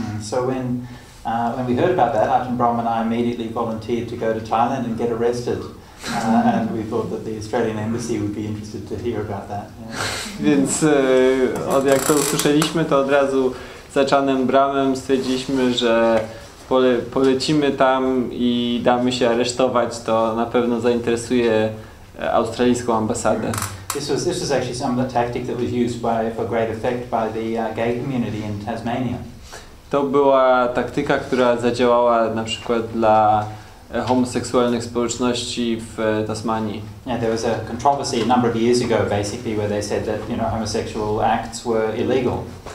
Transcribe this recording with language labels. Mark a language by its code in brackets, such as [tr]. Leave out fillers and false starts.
[en] So when we heard about that, Ajahn Brahm and I immediately volunteered to go to Thailand and get arrested. And we thought that the Australian embassy would be interested to hear about that. [pl] Więc od jak to usłyszeliśmy, to od razu za Czarnym Bramem stwierdziliśmy, że polecimy tam i damy się aresztować, to na pewno zainteresuje australijską ambasadę. [en] This was actually some of the tactic that was used for great effect by the gay community in Tasmania. [pl] To była taktyka, która zadziałała na przykład dla homoseksualnych społeczności w Tasmanii. [en] Yeah, there was a controversy a number of years ago, basically, where they said that, you know, homosexual acts were illegal.